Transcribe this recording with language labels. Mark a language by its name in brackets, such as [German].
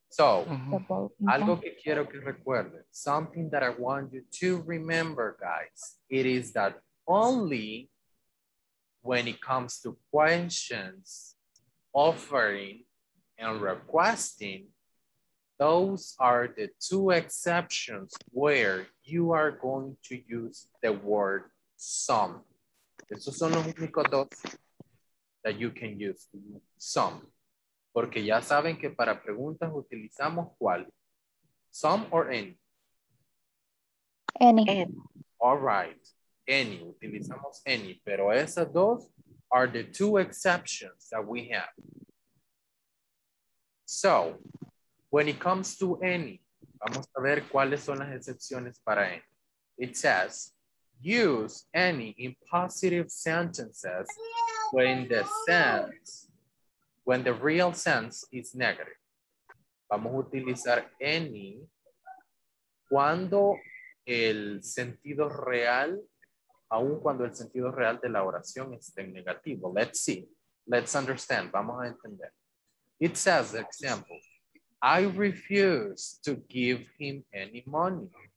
[English] So, [Spanish] algo que quiero que recuerden, [English] something that I want you to remember, guys, it is that only when it comes to questions, offering, and requesting, those are the two exceptions where you are going to use the word some. [Spanish] Esos son los únicos dos [English] that you can use, some. [Spanish] Porque ya saben que para preguntas utilizamos cuál, some or any? [English] Any. All right, any, [Spanish] utilizamos any. Pero esas dos [English] are the two exceptions that we have. So, when it comes to any, [Spanish] vamos a ver cuáles son las excepciones para any. [English] It says, use any in positive sentences when the real sense is negative. [Spanish] Vamos a utilizar any cuando el sentido real, aun cuando el sentido real de la oración esté en negativo. [English] Let's see. Let's understand. [Spanish] Vamos a entender. [English] It says, example, I refuse to give him any money.